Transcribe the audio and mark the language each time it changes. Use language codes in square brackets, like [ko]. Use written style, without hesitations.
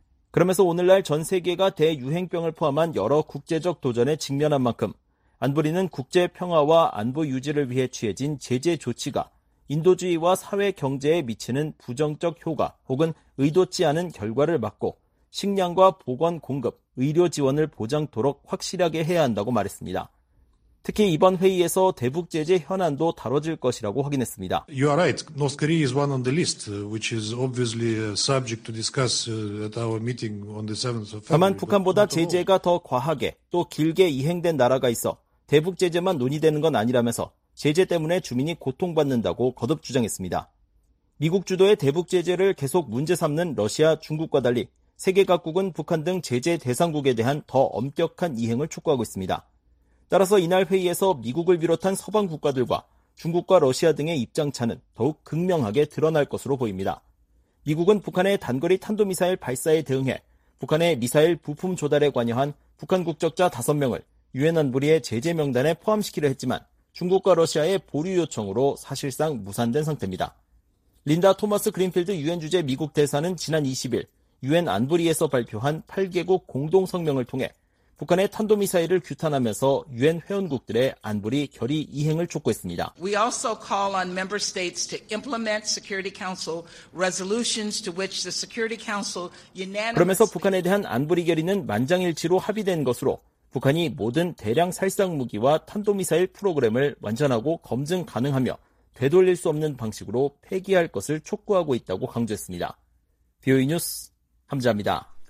[ko] 그러면서 오늘날 전 세계가 대유행병을 포함한 여러 국제적 도전에 직면한 만큼 안보리는 국제 평화와 안보 유지를 위해 취해진 제재 조치가 인도주의와 사회 경제에 미치는 부정적 효과 혹은 의도치 않은 결과를 막고 식량과 보건 공급, 의료 지원을 보장토록 확실하게 해야 한다고 말했습니다. 특히 이번 회의에서 대북 제재 현안도 다뤄질 것이라고 확인했습니다. [en] You are right. North Korea is one on the list, which is obviously a subject to discuss at our meeting on the 7th of February. [ko] 다만 북한보다 제재가 더 과하게 또 길게 이행된 나라가 있어 대북 제재만 논의되는 건 아니라면서 제재 때문에 주민이 고통받는다고 거듭 주장했습니다. 미국 주도의 대북 제재를 계속 문제 삼는 러시아, 중국과 달리 세계 각국은 북한 등 제재 대상국에 대한 더 엄격한 이행을 촉구하고 있습니다. 따라서 이날 회의에서 미국을 비롯한 서방 국가들과 중국과 러시아 등의 입장차는 더욱 극명하게 드러날 것으로 보입니다. 미국은 북한의 단거리 탄도미사일 발사에 대응해 북한의 미사일 부품 조달에 관여한 북한 국적자 5명을 유엔 안보리의 제재 명단에 포함시키려 했지만 중국과 러시아의 보류 요청으로 사실상 무산된 상태입니다. 린다 토마스 그린필드 유엔 주재 미국 대사는 지난 20일 유엔 안보리에서 발표한 8개국 공동 성명을 통해 북한의 탄도미사일을 규탄하면서 유엔 회원국들의 안보리 결의 이행을 촉구했습니다. [en] We also call on member states to implement Security Council resolutions to which the Security Council unanimously. [ko] 그러면서 북한에 대한 안보리 결의는 만장일치로 합의된 것으로 북한이 모든 대량 살상 무기와 탄도미사일 프로그램을 완전하고 검증 가능하며 되돌릴 수 없는 방식으로 폐기할 것을 촉구하고 있다고 강조했습니다. BOE 뉴스 함자입니다.